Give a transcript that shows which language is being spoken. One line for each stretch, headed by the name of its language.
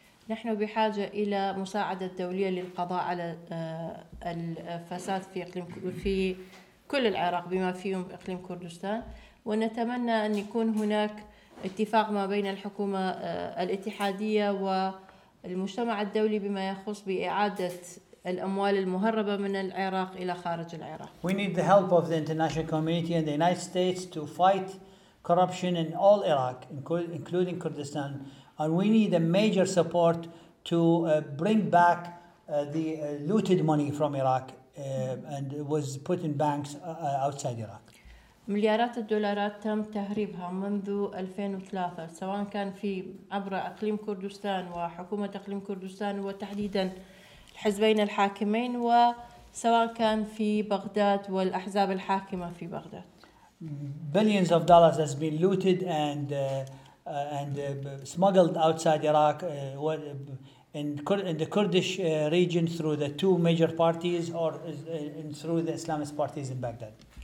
Arabic: نحن بحاجة إلى مساعدة دولية للقضاء على الفساد في إقليم في كل العراق بما فيهم إقليم كردستان، ونتمنى أن يكون هناك اتفاق ما بين الحكومة الاتحادية و المجتمع الدولي بما يخص بإعادة الأموال المهربة من العراق إلى خارج العراق.
English: We need the help of the international community and the United States to fight corruption in all Iraq, including Kurdistan, and we need a major support to bring back the looted money from Iraq and was put in banks outside Iraq.
Arabic: مليارات الدولارات تم تهريبها منذ 2003 سواء كان في عبر أقليم كردستان وحكومة أقليم كردستان وتحديدا الحزبين الحاكمين وسواء كان في بغداد والأحزاب الحاكمة في بغداد.
English: Billions of dollars has been looted and smuggled outside Iraq in the Kurdish region through the two major parties or through the Islamist parties in Baghdad.